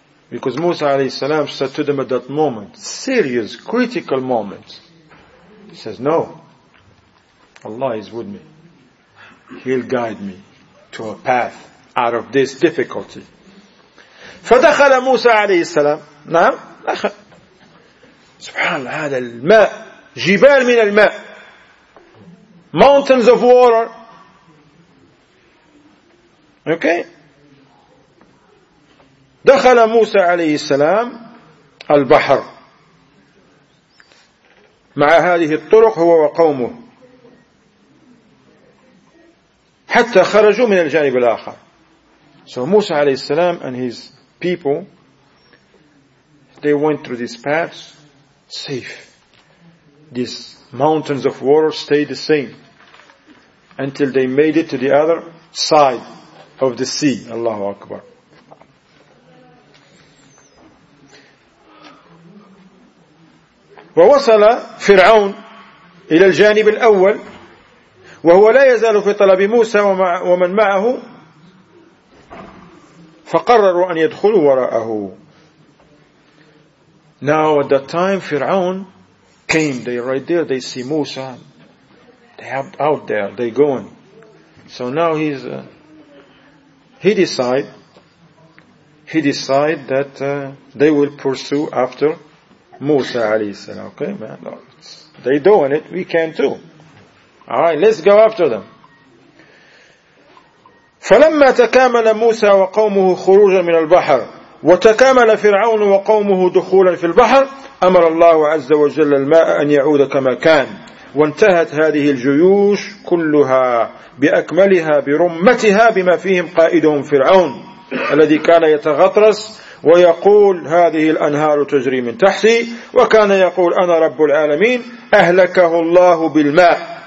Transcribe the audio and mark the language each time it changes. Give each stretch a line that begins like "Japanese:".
English: Because Musa alayhi salam said to them at that moment, serious, critical moment, he says, no, Allah is with me. He'll guide me to a path out of this difficulty.
Arabic: فَدَخَلَ مُوسَى عَلَيْهِ السَّلَامِ نعم سبحان الله هذا الماء جبال من الماء
English: mountains of water.
Arabic: Okay. دخل موسى عليه السلام البحر مع هذه الطرق هو وقومه حتى خرجوا من الجانب الآخر.
English: So Musa alayhi salam and his people, they went through these paths safe. These mountains of water stayed the same until they made it to the other side of the sea. Allahu Akbar.
Arabic: ووصل فرعون إلى الجانب الأول وهو لا يزال في طلب موسى ومن معه فقرروا أن يدخلوا وراءه.
English: Now at that time فرعون came, they right there, they see موسى, they are out there, they going. So now he decide that they will pursue after Musa alayhi salam. Okay, man, they doing it, we can too. Alright, let's go after them.
Arabic: فَلَمَّا تَكَامَلَ مُوسَى وَقَوْمُهُ خُرُوجًا مِنَ الْبَحْرِ وَتَكَامَلَ فِرْعَوْنُ وَقَوْمُهُ دُخُولًا فِي الْبَحْرِ أَمَرَ اللَّهُ عَزَّ وَجَلَّ الْمَاءَ أَنْ يَعُودَ كَمَا كَانَ وَانْتَهَتْ هَذِهِ الْجُيُوشُ كُلُّهَا بِأَكْمَلِهَا بِرُمَّتِهَا بِمَا فِيهِمْ قَائِدُهُمْ فِرْعَوْنُ الَّذِي كَانَ يَتَغَطْرَسُ ويقول هذه الأنهار تجري من تحتي وكان يقول أنا رب العالمين أهلكه الله بالماء